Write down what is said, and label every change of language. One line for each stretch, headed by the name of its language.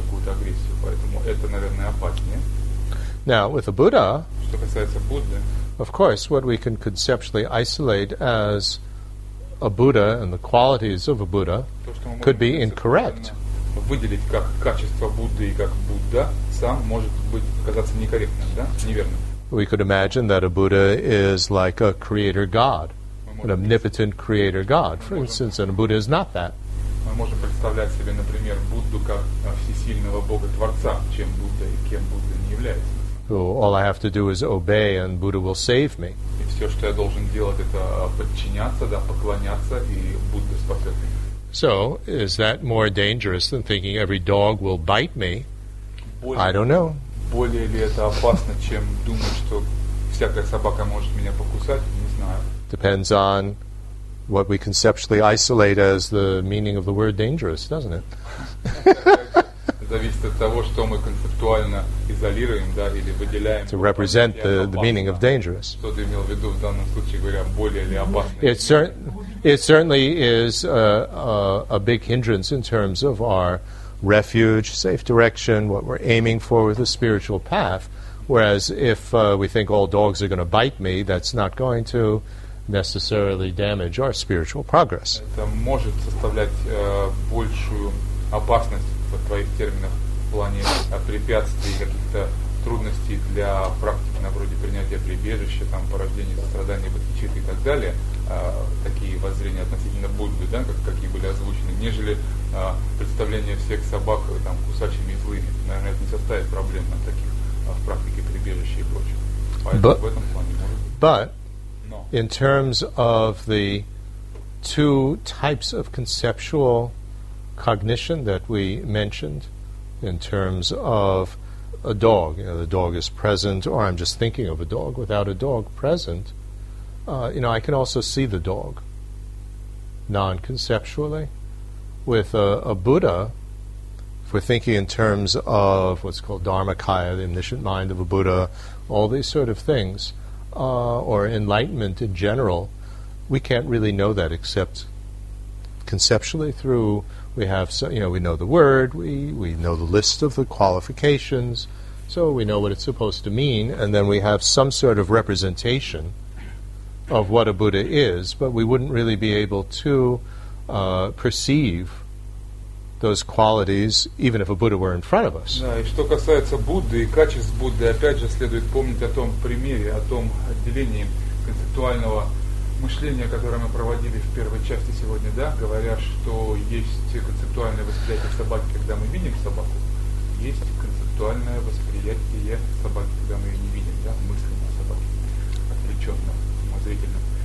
Russian: какую-то агрессию, поэтому это, наверное, опаснее.
English: Now, with a Buddha,
Russian: что касается Будды,
English: of course, what we can conceptually isolate as a Buddha and the qualities of a Buddha could be incorrect.
Russian: Выделить как качество Будды и как Будда сам может быть казаться некорректным, да? Неверным.
English: We could imagine that a Buddha is like a creator god, an omnipotent creator god, for instance, and a Buddha is not that.
Russian: Мы можем представлять себе, например, Будду как всесильного бога-творца, чем Будда и кем Будда не является.
English: So all I have to do is obey and Buddha will save me.
Russian: И все, что я должен делать, это подчиняться, да, поклоняться, и Будда спасет меня.
English: So, is that more dangerous than thinking every dog will bite me? I don't know.
Russian: Более ли это опасно, чем думать, что всякая собака может меня покусать? Не знаю.
English: Depends on what we conceptually isolate as the meaning of the word dangerous, doesn't it?
Russian: Зависит от того, что мы концептуально изолируем, да, или выделяем.
English: To represent the meaning of dangerous.
Russian: Что ты имел в виду в данном случае, говоря, более ли опасно?
English: It certainly is a big hindrance in terms of our refuge, safe direction, what we're aiming for with the spiritual path. Whereas if we think all dogs are going to bite me, that's not going to necessarily damage our spiritual progress.
Russian: Это может составлять большую опасность в твоих терминах в плане препятствий, каких-то трудностей для практики, на вроде принятия прибежища, там, порождения страданий, бодхичитты и так далее. Такие воззрения относительно Будды, да, какие были озвучены, нежели представление всех собак там, кусачими и злыми. Наверное, это не составит проблем на таких в практике прибежища и прочего.
English: But,
Russian: в этом плане, может быть.
English: But no. In terms of the two types of conceptual cognition that we mentioned, in terms of a dog, you know, the dog is present, or I'm just thinking of a dog, without a dog present, you know, I can also see the dog non-conceptually. With a Buddha, if we're thinking in terms of what's called Dharmakaya, the omniscient mind of a Buddha, all these sort of things, or enlightenment in general, we can't really know that except conceptually through, we have, so, you know, we know the word, we know the list of the qualifications, so we know what it's supposed to mean, and then we have some sort of representation of what a Buddha is, but we wouldn't really be able to perceive those qualities, even if a Buddha were in front of us.
Russian: Да, и что касается Будды и качеств Будды, опять же, следует помнить о том примере, о том отделении концептуального мышления, которое мы проводили в первой части сегодня, да, говоря, что есть концептуальное восприятие собаки, когда мы видим собаку, есть концептуальное восприятие собаки, когда мы ее не видим, да, мысленно собаки, отвлеченно.